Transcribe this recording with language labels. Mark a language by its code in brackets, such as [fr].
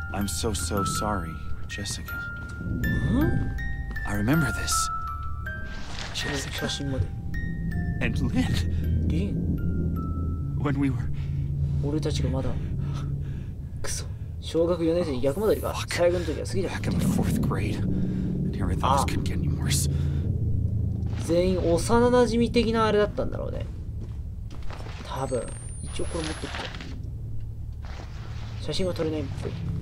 [en] I'm so so sorry, Jessica. ん？ I remember this. [ja] Jessica. 写真まで。 [en] And Lynn. Lynn. When we were. [ja] 俺たちがまだ。くそ、小学4年生に逆戻りか。最後の時は過ぎた。 [en] Back in the fourth grade, and everything was getting any worse. [ja] 全員幼馴染的なあれだったんだろうね。多分。一応これ持ってきて。写真は撮れないっぽい。